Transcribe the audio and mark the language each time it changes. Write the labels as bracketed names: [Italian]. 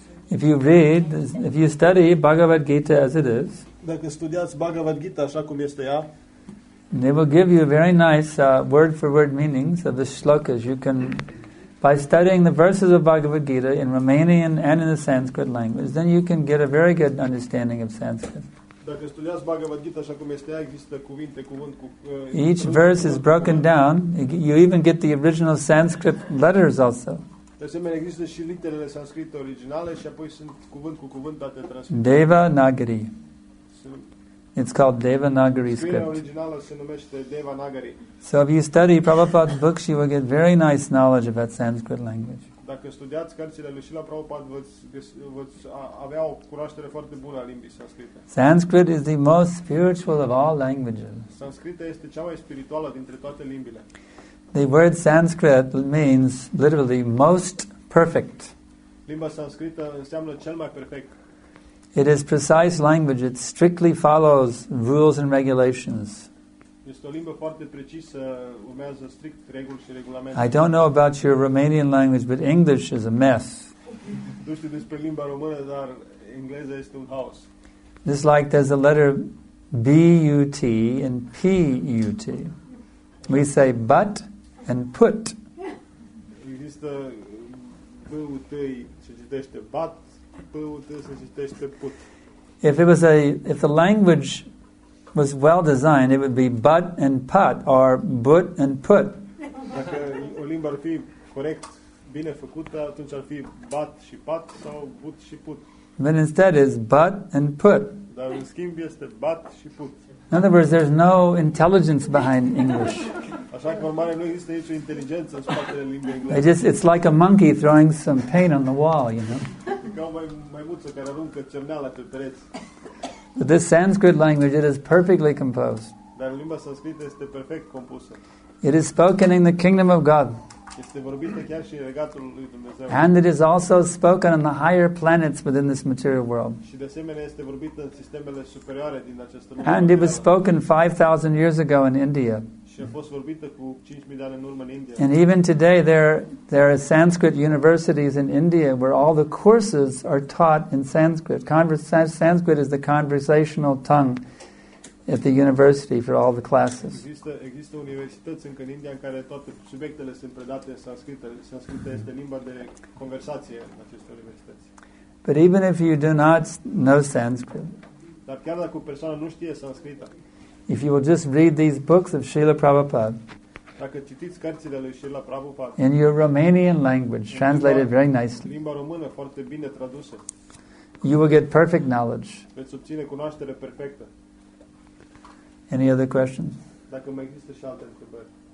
[English] If you read, if you study Bhagavad Gita as it is, [Romanian] dacă studiați Bhagavad Gita așa cum este ea, [English] they will give you a very nice word for word meanings of the shlokas. You can, by studying the verses of Bhagavad Gita in Romanian and in the Sanskrit language, then you can get a very good understanding of Sanskrit. [Romanian] Dacă studiați Bhagavad Gita așa cum este ea, există cuvinte, cuvânt cu... [English] Each verse is broken down. You even get the original Sanskrit letters also. [Romanian] De asemenea, există și literele sanscrite originale și apoi sunt cuvânt cu cuvânt date transcrite. [English] Devanagari. It's called Devanagari script. [Romanian] Scrierea originală se numește Devanagari. [English] So if you study Prabhupada's books, you will get very nice knowledge of that Sanskrit language. [Romanian] Dacă studiați cărțile lui Srila Prabhupada, veți avea o cunoaștere foarte bună a limbii sanscrite. [English] Sanskrit is the most spiritual of all languages. [Romanian] Sanscrita este cea mai spirituală dintre toate limbile. [English] The word Sanskrit means literally most perfect. [Romanian] Limba sanscrită înseamnă cel mai perfect. [English] It is precise language. It strictly follows rules and regulations. [Romanian] Este o limbă foarte precisă, urmează strict reguli și regulamente. [English] I don't know about your Romanian language, but English is a mess. [Romanian] Nu știu despre limba română, dar engleza este un haos. [English] It's like there's a letter B-U-T and P-U-T. We say but and put. [Romanian] Există B-U-T, se citește but, P-U-T, se citește put. [English] If the language was well designed, it would be but and put or but and put. [Romanian] Dacă o limbă ar fi corect, bine făcută, atunci ar fi but și put sau but și put. [English] But instead is but and put. [Romanian] Dar în schimb este but și put. [English] In other words, there's no intelligence behind English. [Romanian] Așa că urmare nu există nicio inteligență în spatele limbii engleze. [English] It's like a monkey throwing some paint on the wall, you know. [Romanian] Ca o maimuță care aruncă cerneala pe pereți. [English] But this Sanskrit language, it is perfectly composed. [Romanian] Dar limba sanscrită este perfect compusă. [English] It is spoken in the kingdom of God. [Romanian] Este vorbită chiar și în regatul lui Dumnezeu. [English] And it is also spoken on the higher planets within this material world. [Romanian] Și de asemenea este vorbită în sistemele superioare din această lume. [English] And it was spoken 5,000 years ago in India. [Romanian] Și a fost vorbită cu 5,000 de ani în urmă în India. [English] And even today there are Sanskrit universities in India where all the courses are taught in Sanskrit. Sanskrit is the conversational tongue at the university for all the classes. [Romanian] Există universități încă în India în care toate subiectele sunt predate în sanscrită. Sanscrită este limba de conversație în aceste universități. [English] But even if you do not know Sanskrit, [Romanian] dar chiar dacă o persoană nu știe sanscrită, [English] if you will just read these books of Srila Prabhupada, [Romanian] dacă citiți cărțile lui Srila Prabhupada [English] in your Romanian language, translated very nicely, [Romanian] limba română foarte bine tradusă, [English] you will get perfect knowledge. [Romanian] Veți obține cunoaștere perfectă. [English] Any other questions? [Romanian] Dacă mai există și alte întrebări.